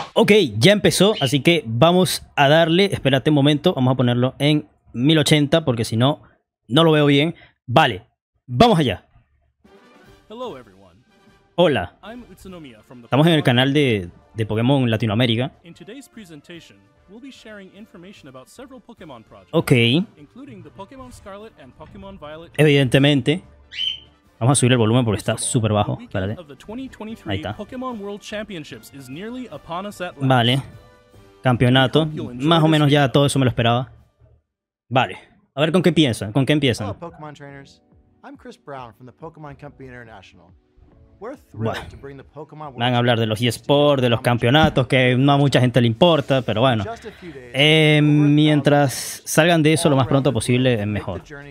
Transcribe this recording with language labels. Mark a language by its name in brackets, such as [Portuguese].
[Spanish] Ok, ya empezó, así que vamos a darle, espérate un momento, vamos a ponerlo en 1080 porque si no, no lo veo bien. Vale, vamos allá. [English] Hello everyone. [Spanish] Hola, estamos en el canal de Pokémon Latinoamérica. [English] In today's presentation, we'll be sharing information about several Pokémon projects, okay, including the Pokémon Scarlet and Pokémon Violet. [Spanish] Evidentemente, vamos a subir el volumen porque está súper bajo. Espérate. Ahí está. [English] Pokémon World Championships is nearly upon us at last. [Spanish] Vale. Campeonato. Más o menos ya todo eso me lo esperaba. Vale. A ver con qué piensan. ¿Con qué empiezan? [English] Hello, Pokémon trainers. I'm Chris Brown from the Pokémon Company International. We're thrilled to bring the Pokémon World. [Spanish] Van a hablar de los eSports, de los campeonatos, que no a mucha gente le importa, pero bueno. Mientras salgan de eso lo más pronto posible, es mejor.